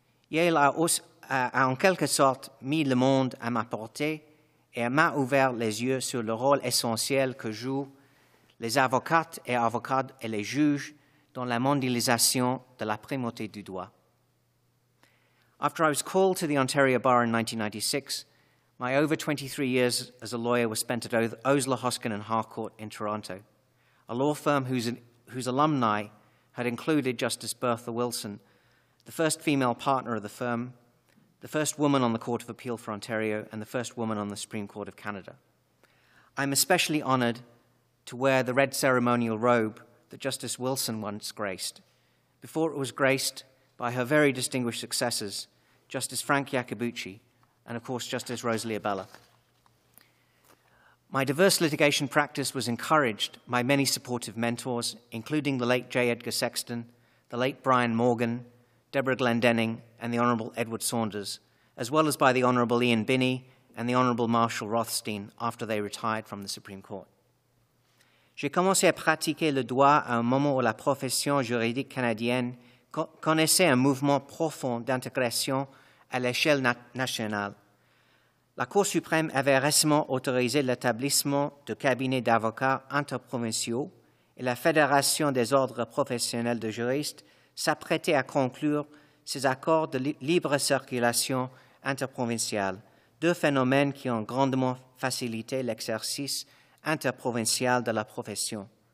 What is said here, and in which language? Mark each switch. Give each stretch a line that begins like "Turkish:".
French: Yale a en quelque sorte mis le monde à ma portée et m'a ouvert les yeux sur le rôle essentiel que jouent les avocates et les juges dans la mondialisation de la primauté du droit.
English: After I was called to the Ontario Bar in 1996, my over 23 years as a lawyer was spent at Osler, Hoskin & Harcourt in Toronto, a law firm whose alumni had included Justice Bertha Wilson, the first female partner of the firm, the first woman on the Court of Appeal for Ontario, and the first woman on the Supreme Court of Canada. I'm especially honored to wear the red ceremonial robe that Justice Wilson once graced. Before it was graced by her very distinguished successors, Justice Frank Iacobucci, and of course, Justice Rosalie Abella. My diverse litigation practice was encouraged by many supportive mentors, including the late J. Edgar Sexton, the late Brian Morgan, Deborah Glendenning, and the Honorable Edward Saunders, as well as by the Honorable Ian Binney and the Honorable Marshall Rothstein after they retired from the Supreme Court.
French: J'ai commencé à pratiquer le droit à un moment où la profession juridique canadienne connaissait un mouvement profond d'intégration à l'échelle nationale. La Cour suprême avait récemment autorisé l'établissement de cabinets d'avocats interprovinciaux et la Fédération des ordres professionnels de juristes s'apprêtait à conclure ses accords de libre circulation interprovinciale, deux phénomènes qui ont grandement facilité l'exercice interprovincial de la profession.